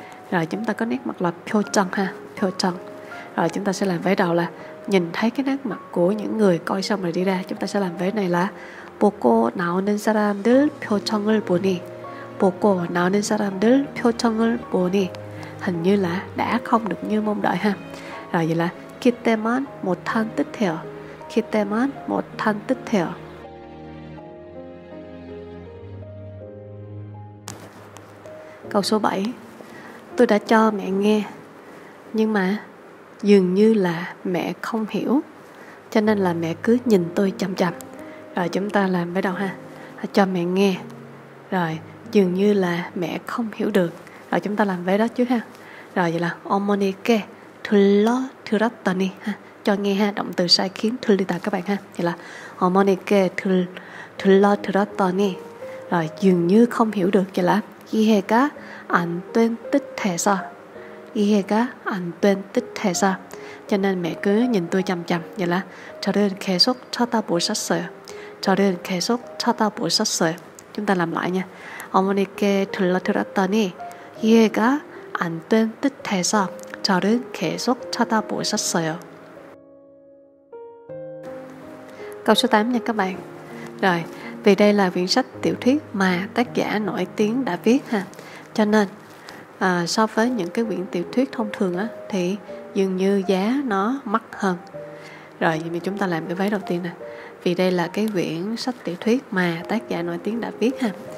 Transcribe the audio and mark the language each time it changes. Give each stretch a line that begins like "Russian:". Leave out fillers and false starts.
Vietnamese: Rồi chúng ta có nét mặt là pyo chân ha, pyo chân. Rồi chúng ta sẽ làm vế đầu là nhìn thấy cái nét mặt của những người coi xong rồi đi ra. Chúng ta sẽ làm vế này là
Korean: 보고 나오는 사람들 표정을 보니,
Vietnamese: 보고 나오는 사람들 표정을 보니, hình như là đã không được như mong đợi ha. Rồi vậy là
Korean: 기대만 못한 듯해요, 기대만 못한 듯해요.
Vietnamese: Câu số 7, tôi đã cho mẹ nghe nhưng mà dường như là mẹ không hiểu, cho nên là mẹ cứ nhìn tôi chằm chằm. Rồi chúng ta làm bắt đầu ha, cho mẹ nghe, rồi dường như là mẹ không hiểu được. Rồi chúng ta làm vế đó chứ ha. Rồi vậy là
Korean: 어머니께 들었더니
Vietnamese: ha, cho nghe ha, động từ sai khiến 들리다 các bạn ha. Vậy là
Korean: 어머니께 들었더니,
Vietnamese: rồi dường như không hiểu được, vậy là
Korean: 이해가 안 된 듯해서,
Vietnamese: 이해가 안 된 듯해서. Cho nên mẹ cứ nhìn tôi chằm chằm, vậy là
Korean: 저를 계속 쳐다보셨어요,
Vietnamese: 저를 계속 쳐다보셨어요. Chúng ta làm lại nha,
Korean: 어머니께 들었더니 이해가 안 된 듯해서 저를 계속 쳐다보셨어요.
Vietnamese: Câu số 8 nha các bạn. Rồi vì đây là quyển sách tiểu thuyết mà tác giả nổi tiếng đã viết ha, cho nên so với những cái quyển tiểu thuyết thông thường á thì dường như giá nó mắc hơn. Rồi vậy thì chúng ta làm cái vế đầu tiên nè, vì đây là cái quyển sách tiểu thuyết mà tác giả nổi tiếng đã viết ha.